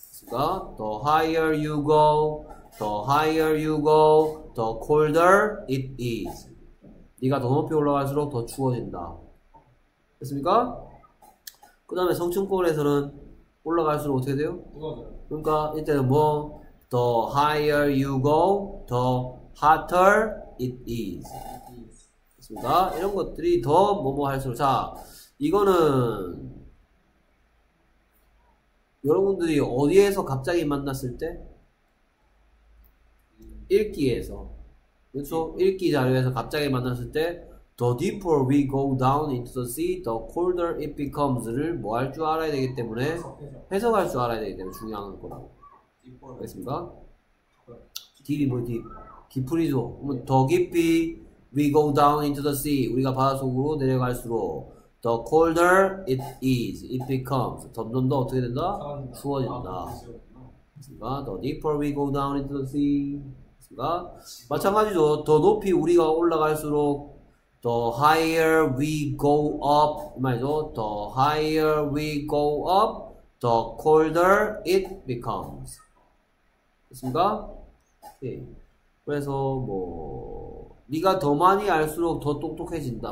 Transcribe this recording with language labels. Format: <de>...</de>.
<ko>그러니까</ko> <en>the higher you go, the higher you go, the colder it is.</en> <ko>네가 더 높이 올라갈수록 더 추워진다. 됐습니까? 그 다음에 성층권에서는 올라갈수록 어떻게 돼요? 그러니까 이때는 뭐?</ko> <en>The higher you go, the hotter it is.</en> <ko>됐습니까? 이런 것들이 더 뭐뭐 할수록. 자, 이거는 여러분들이 어디에서 갑자기 만났을 때? 읽기에서. 그렇죠? 읽기 자료에서 갑자기 만났을 때</ko> <en>The deeper we go down into the sea, the colder it becomes</en> <ko>를 뭐 할 줄 알아야 되기 때문에 해석할 줄 알아야 되기 때문에 중요한 거라고. 알겠습니까? Deep이 뭐 deep? 깊으리죠? 그러면 더 깊이</ko> <en>we go down into the sea,</en> <ko>우리가 바닷속으로 내려갈수록</ko> <en>The colder it is, it becomes.</en> <ko>점점 더 어떻게 된다? 추워진다. 맞습니까?</ko> <en>The deeper we go down into the sea.</en> <ko>맞습니까? 마찬가지죠. 더 높이 우리가 올라갈수록</ko> <en>The higher we go up.</en> <ko>말이죠.</ko> <en>The higher we go up, the colder it becomes.</en> <ko>맞습니까? 오케이. 그래서 뭐 네가 더 많이 알수록 더 똑똑해진다.</ko>